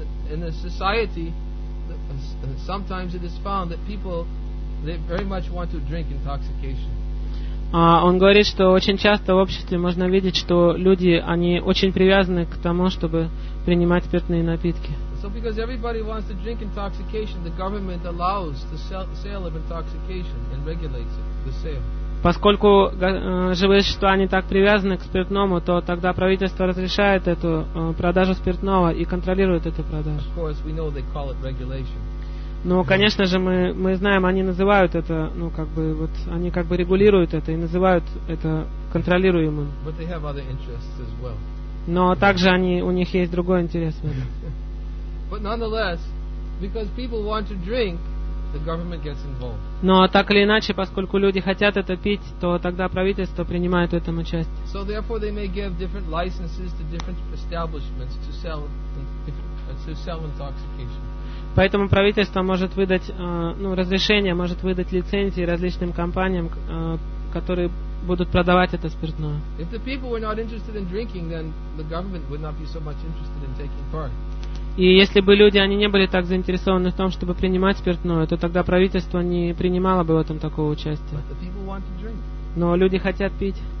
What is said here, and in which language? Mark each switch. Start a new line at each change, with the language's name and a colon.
English: In a society, sometimes it is found that people, they very much want to drink intoxication.
Russian: Он говорит, что очень часто в обществе можно видеть, что люди, они очень привязаны к тому, чтобы принимать спиртные напитки.
English: So because everybody wants to drink intoxication, the government allows the sale of intoxication and regulates it, the sale.
Russian: Поскольку живые существа они так привязаны к спиртному, то тогда правительство разрешает эту продажу спиртного и контролирует эту продажу.
English: Of course, we know they call it regulation.
Russian: Ну, конечно же, мы знаем, они называют это, ну, как бы, вот, они как бы регулируют это и называют это контролируемым.
English: But they have other interests as well.
Russian: Но также они, у них есть другой интерес в этом.
English: But nonetheless, because people want to drink, the government gets involved.
Russian: Но так или иначе, поскольку люди хотят это пить, то тогда правительство принимает в этом участие.
English: So therefore, they may give different licenses to different establishments to sell intoxication.
Russian: Поэтому правительство может выдать, ну, разрешение, может выдать лицензии различным компаниям, которые будут продавать это спиртное.
English: If the people were not interested in drinking, then the government would not be so much interested in taking part.
Russian: И если бы люди, они не были так заинтересованы в том, чтобы принимать спиртное, то тогда правительство не принимало бы в этом такого участия. Но люди хотят пить.